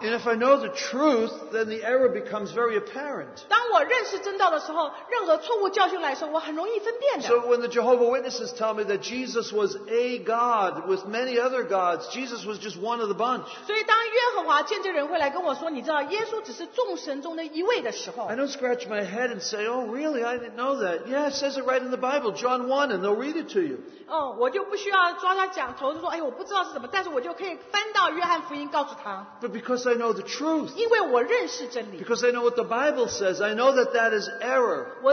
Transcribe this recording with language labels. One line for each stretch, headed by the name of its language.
English: And if I know the truth, then the error becomes very apparent.
Chinese: 当我认识真道的时候，任何错误教训来的时候，我很容易分辨的。
English: So when the Jehovah's Witnesses tell me that Jesus was a God with many other gods, Jesus was just one of the bunch.
Chinese: 所以当耶和华见证人会来跟我说，你知道耶稣只是众神中的一位的时候，
English: I don't scratch my head and say, oh, really? I didn't know that. Yeah, it says it right in the Bible, John 1, and they'll read it to you.
Chinese: Oh, 我就不需要抓他讲头，说，哎，我不知道是什么，但是我就可以翻到约翰福音告诉他。
English: But because I know the truth.
Chinese: 因为我认识真理。
English: Because I know what the Bible says, I know that that is error.